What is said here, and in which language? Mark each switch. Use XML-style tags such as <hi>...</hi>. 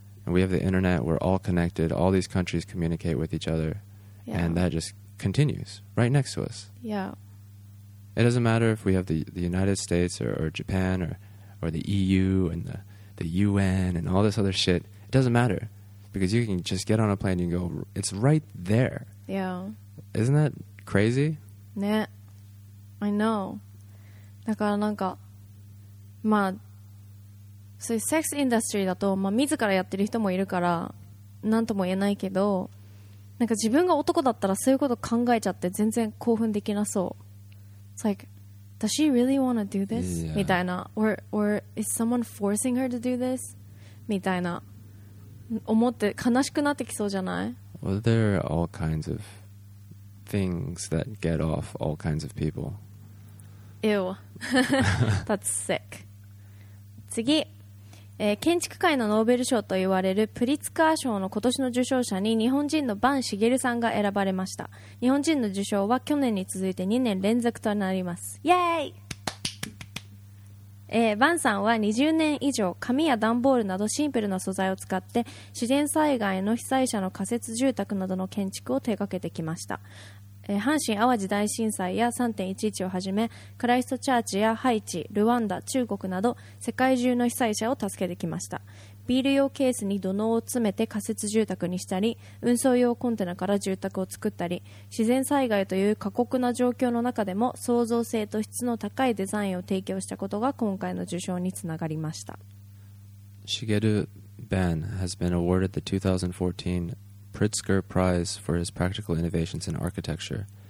<en>And we have the internet, we're all connected, all these countries communicate with each other, and that just continues right next to us. Yeah. It doesn't matter if we have the United States or Japan or the EU and the UN and all this other shit. It doesn't matter, because you can just get on a plane and go, it's right there. Yeah. Isn't that crazy? Nah. I know.</en> <ja>だからなんか、まあそういうセックスインダストリーだと、まあ自らやってる人もいるから何とも言えないけど、なんか自分が男だったらそういうこと考えちゃって全然興奮できなそう。</ja> <en>It's like, does she really want to do this?</en> <ja>みたいな、</ja> <en>or is someone forcing her to do this?</en> <ja>みたいな思って悲しくなってきそうじゃない？</ja> <en>Well, there are all kinds of things that get off all kinds of people Ew. That's sick.</en> <ja>次。建築界のノーベル賞と言われるプリツカー賞の今年の受賞者に日本人の坂茂さんが選ばれました。日本人の受賞は去年に続いて2年連続となります。イエーイ。坂さんは20年以上紙や段ボールなどシンプルな素材を使って自然災害の被災者の仮設住宅などの建築を手掛けてきました。阪神淡路大震災や 3.11 をはじめクライストチャーチやハイチ、ルワンダ、中国など世界中の被災者を助けてきました。ビール用ケースに土のうを詰めて仮設住宅にしたり、運送用コンテナから住宅を作ったり、自然災害という過酷な状況の中でも創造性と質の高いデザインを提供したことが今回の受賞につながりました。</ja> <en>Shigeru Ban has been awarded the 2014Pritzker Prize for his practical innovations in architecture.</en>